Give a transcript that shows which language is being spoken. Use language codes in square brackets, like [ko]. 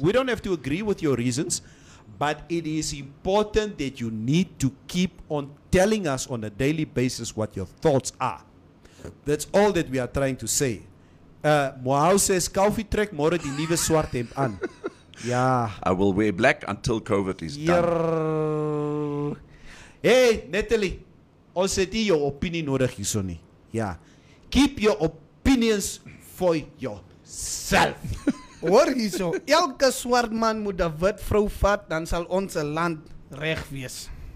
[en] We don't have to agree with your reasons, but it is important that you need to keep on telling us on a daily basis what your thoughts are. That's all that we are trying to say. [af] Mohau says, Kaufi trek more die nieuwe swart hemp aan. Yeah. [en] I will wear black until COVID is done. Hey, Natalie. [af] Ons het nie jou opinie nodig hierso nie. [en] Yeah. Keep your opinions for yourself. [af] Hoor hierso. Elke swart man moet een wit vrou vat, dan sal ons land reg wees.